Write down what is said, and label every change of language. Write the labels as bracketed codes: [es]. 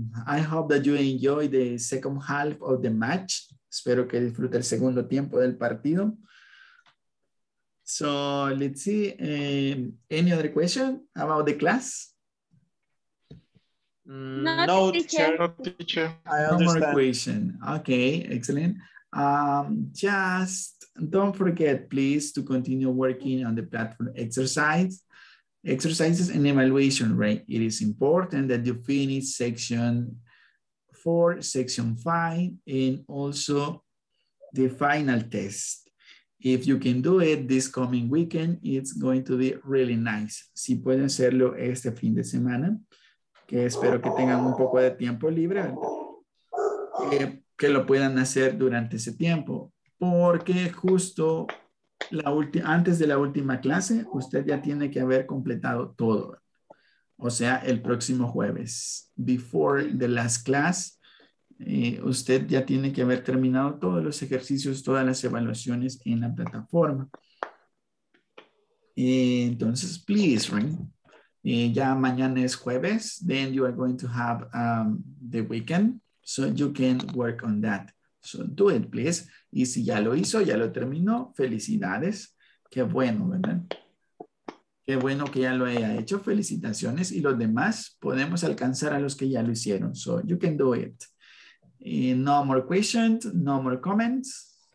[en] I hope that you enjoy the second half of the match. [es] Espero que disfrute el segundo tiempo del partido. [en] So let's see. Any other question about the class? No teacher. No teacher. I have more question. Okay, excellent. Just don't forget, please, to continue working on the platform exercise. Exercises and evaluation, right? It is important that you finish section 4, section 5, and also the final test. If you can do it this coming weekend, it's going to be really nice. [es] Si pueden hacerlo este fin de semana, que espero que tengan un poco de tiempo libre, que lo puedan hacer durante ese tiempo, porque justo antes de la última clase, usted ya tiene que haber completado todo. O sea, el próximo jueves. [en] Before the last class, [es] usted ya tiene que haber terminado todos los ejercicios, todas las evaluaciones en la plataforma. Entonces, [en] please, right? [es] Ya mañana es jueves. [en] Then you are going to have the weekend. So you can work on that. So do it, please. [es] Y si ya lo hizo, ya lo terminó, felicidades. Qué bueno, ¿verdad? Qué bueno que ya lo haya hecho. Felicitaciones. Y los demás, podemos alcanzar a los que ya lo hicieron. [en] So you can do it. Y no more questions, no more comments.